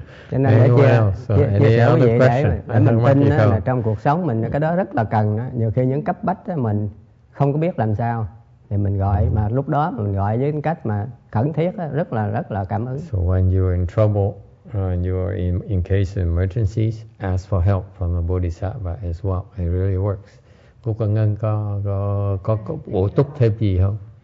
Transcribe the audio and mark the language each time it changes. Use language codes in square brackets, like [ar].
[vi] Cho nên để chia sẻ với vị đấy, mình tin là trong cuộc sống mình cái đó rất là cần đó. Nhiều khi những cấp bách đó, mình không có biết làm sao thì mình gọi, mà lúc đó mình gọi với cách mà khẩn thiết đó, rất là cảm ứng. [en] So when you are in trouble, you are in case of emergencies, ask for help from the Bodhisattva as well. It really works. [vi] Cô Quang Ngân có bổ túc thêm gì không?